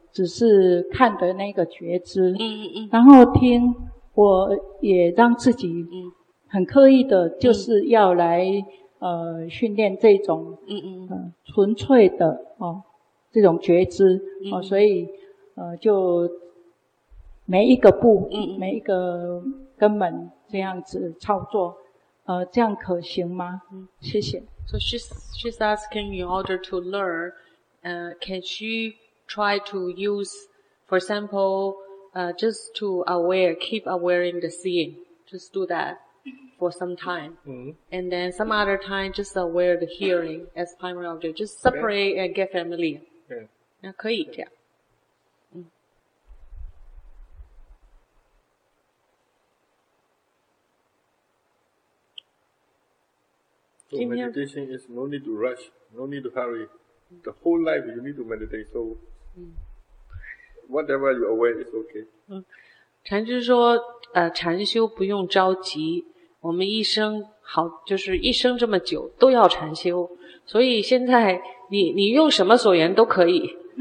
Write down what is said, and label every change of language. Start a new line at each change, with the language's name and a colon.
Chinese: 只是看的那个觉知，然后听，我也让自己很刻意的就是要来训练这种纯粹的这种觉知，所以就每一个步每一个根本这样子操作，这样可行吗？谢谢。
English: So she's asking, in order to learn, can she try to use, for example, just to aware, keep awareing the seeing, just do that for some time, and then some other time just aware the hearing as primary object, just separate and get familiar.
Chinese: 那可以这样。
English: So meditation is no need to rush, no need to hurry. The whole life you need to meditate, so whatever you're aware is okay.
Chinese: 禅师说，禅修不用着急，我们一生好，就是一生这么久都要禅修，所以现在你用什么所缘都可以。